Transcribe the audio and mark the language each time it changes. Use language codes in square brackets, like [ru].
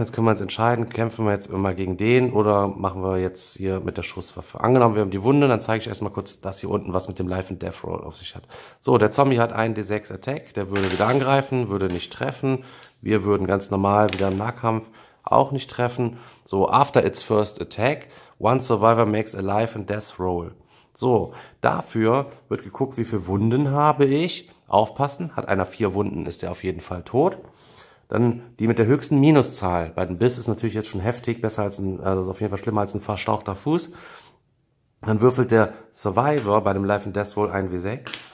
[de] Jetzt können wir uns entscheiden, kämpfen wir jetzt immer gegen den oder machen wir jetzt hier mit der Schusswaffe. Angenommen, wir haben die Wunde, dann zeige ich erstmal kurz das hier unten, was mit dem Life and Death Roll auf sich hat. So, der Zombie hat einen D6 Attack, der würde wieder angreifen, würde nicht treffen. Wir würden ganz normal wieder im Nahkampf auch nicht treffen. [en] So, after its first attack, one survivor makes a life and death roll. [de] So, dafür wird geguckt, wie viele Wunden habe ich. Aufpassen, hat einer 4 Wunden, ist der auf jeden Fall tot. Dann die mit der höchsten Minuszahl. Bei dem Biss ist natürlich jetzt schon heftig, besser als ein, also auf jeden Fall schlimmer als ein verstauchter Fuß. Dann würfelt der Survivor bei dem Life and Death Roll ein W6.